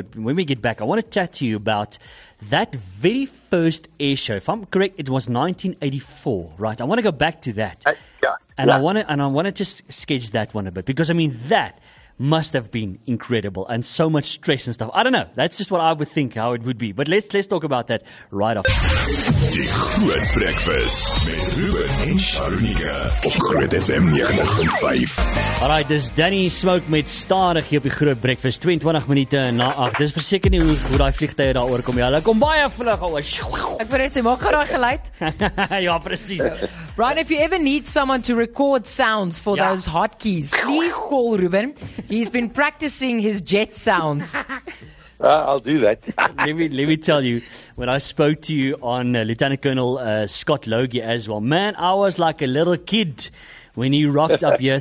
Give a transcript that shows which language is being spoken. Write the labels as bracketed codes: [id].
[en] But when we get back, I want to chat to you about that very first air show. If I'm correct, it was 1984, right? I want to go back to that. I want to just sketch that one a bit. Because, I mean, that must have been incredible and so much stress and stuff. I don't know. That's just what I would think how it would be. But let's talk about that right off. [af] Die Groot Breakfast met Ruben en Sharunika op Groot FM 95.5. All right, dis Danny Smoke met Stadig hier op die Groot Breakfast. 22 minute na 8. Dis verseker nie hoe die vliegtuie daar oorkom. Ja, hulle kom baie vlug al. Ek wou net sê, maak gou daai geluid. Ja, precies. [en] Brian, if you ever need someone to record sounds for those hotkeys, please call Ruben. He's been practicing his jet sounds. I'll do that. let me tell you, when I spoke to you on Lieutenant Colonel Scott Logie as well, man, I was like a little kid when he rocked up here.